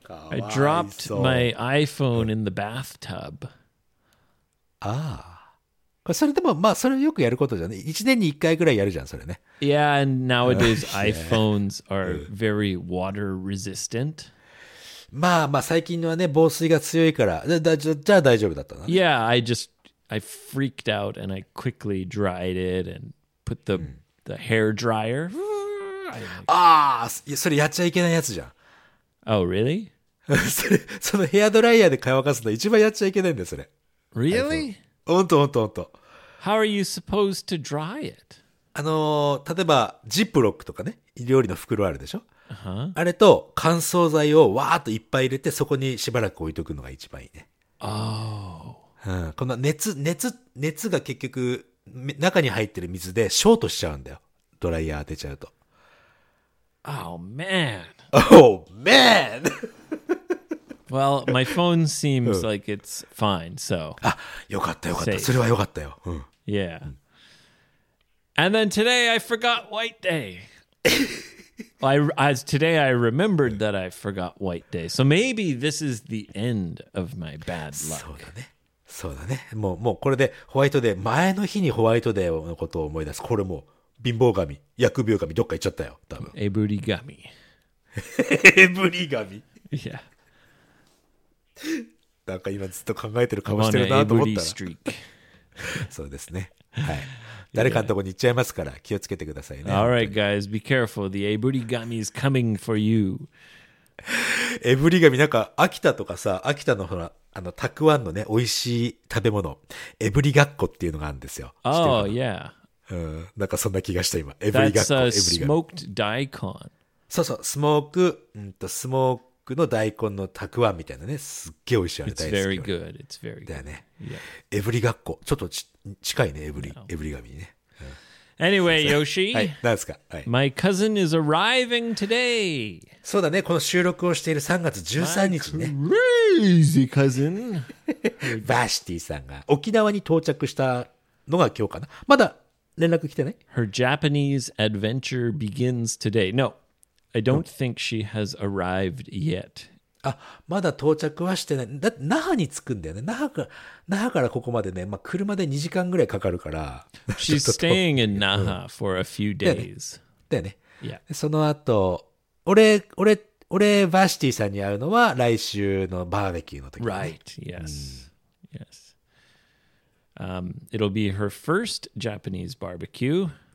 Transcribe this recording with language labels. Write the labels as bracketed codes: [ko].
[en] I dropped my iPhone in the bathtub. [ja] ああ、それでもまあそれよくやることじゃね。1年に1回ぐらいやるじゃんそれね。 [en] Yeah, and nowadays iPhones are very water resistant. [ja] まあまあ最近のはね防水が強いからじゃあ大丈夫だったな、ね、 [en] Yeah, I freaked out and I quickly dried it and put the hair dryer. [ja] ああ、それやっちゃいけないやつじゃん。 [en] Oh, really? [ja] そのヘアドライヤーで乾かすの一番やっちゃいけないんだよそれ。 [en] Really? [ja] ほんとほんとほんと。 [en] How are you supposed to dry it? [ja] 例えばジップロックとかね、料理の袋あるでしょ。 [en] Uh-huh. [ja] あれと乾燥剤をわーっといっぱい入れてそこにしばらく置いとくのが一番いいね。 [en] Oh. [ja] うん、この熱が結局中に入ってる水でショートしちゃうんだよ。ドライヤー当てちゃうと。 [en] Oh man. Oh man. Well, my phone seems like it's fine. So. [ja] あ、よかったよかった。それはよかったよ。うん、 [en] yeah. And then today I forgot white day. Today I remembered that I forgot white day. So maybe this is the end of my bad luck. [ja] そうだね。そうだね。もうこれでホワイトデー、前の日にホワイトデーのことを思い出す。これもう、貧乏神、薬病神、どっか行っちゃったよ、多分。エブリ神。エブリ神。いや。なんか今ずっと考えてる顔してるなと思ったら。エブリストリーク。そうですね。はい。誰かのとこに行っちゃいますから気をつけてくださいね。 [en] Alright guys, be careful. The Eburigami is coming for you. [ja] エブリガミ、なんか、秋田とかさ、秋田のほら、あの、たくあんのね、美味しい食べ物、エブリガッコっていうのがあるんですよ。 [en] Oh, yeah. [ja] なんかそんな気がした、今。エブリガッコ、エブリガ [en] ッコ。That's a smoked daikon. [ja] そうそう、スモーク、スモークの大根のたくあんみたいなね、すっげえ美味しい、あれ大好き。 [en] It's very good, it's very good. [ja] だよね。エブリガッコ、ちょっとち近いね、エブリガミにね。 [en] Anyway, Yoshi, my cousin is arriving today. [ja] そうだね、この収録をしている3月13日ね。 [en] My crazy cousin. [ja] バシティさんが沖縄に到着したのが今日かな。まだ連絡来てない？ [en] Her Japanese adventure begins today. No, I don't think she has arrived yet. [ja] あ、まだ到着はしてない。だって那覇に着くんだよね。那覇からここまでね、まあ、車で2時間ぐらいかかるから。 [en] She's staying in Naha for a few days. [ja] だよね。 [en] Yeah. [ja] その後、俺、バーシティさんに会うのは来週のバーベキューの時、ね。 [en] Right, yes.、うん、yes. It'll be her first Japanese barbecue.